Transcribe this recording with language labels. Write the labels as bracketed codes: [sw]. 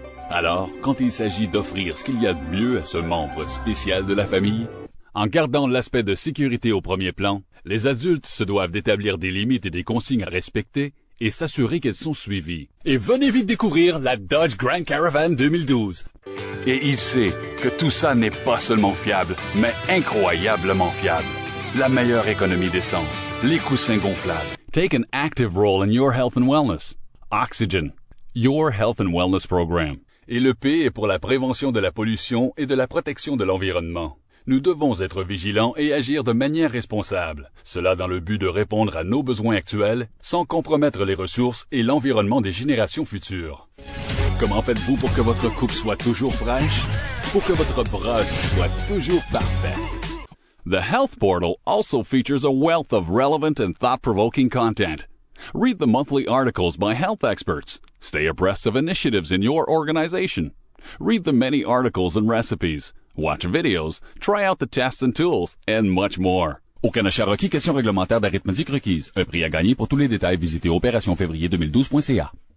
[fr] Alors, quand il s'agit d'offrir ce qu'il y a de mieux à ce membre spécial de la famille, en gardant l'aspect de sécurité au premier plan, les adultes se doivent d'établir des limites et des consignes à respecter et s'assurer qu'elles sont suivies. Et venez vite découvrir la Dodge Grand Caravan 2012. Et il sait que tout ça n'est pas seulement fiable, mais incroyablement fiable. La meilleure économie d'essence, les coussins gonflables. [en] Take an active role in your health and wellness. Oxygen, your health and wellness program. [fr] Et le P est pour la prévention de la pollution et de la protection de l'environnement. Nous devons être vigilants et agir de manière responsable. Cela dans le but de répondre à nos besoins actuels, sans compromettre les ressources et l'environnement des générations futures. Comment faites-vous pour que votre coupe soit toujours fraîche? Pour que votre brosse soit toujours parfaite? [en] The Health Portal also features a wealth of relevant and thought-provoking content. Read the monthly articles by health experts. Stay abreast of initiatives in your organization. Read the many articles and recipes. Watch videos, try out the tests and tools, and much more. [fr] Au Canachat Rocky, question réglementaire d'arithmétique requise. Un prix à gagner pour tous les détails, visitez opérationfévrier2012.ca.